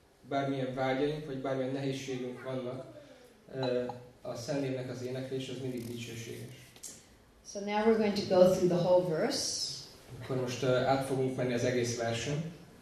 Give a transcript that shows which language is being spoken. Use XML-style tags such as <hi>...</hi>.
<hu>Bármilyen vágyaink, vagy bármilyen nehézségünk vannak, a Szent Névnek az éneklés az mindig dicsőséges.</hu> <en>So now we're going to go through the whole verse.</en> <hu>Akkor most át fogunk menni az egész versen.</hu>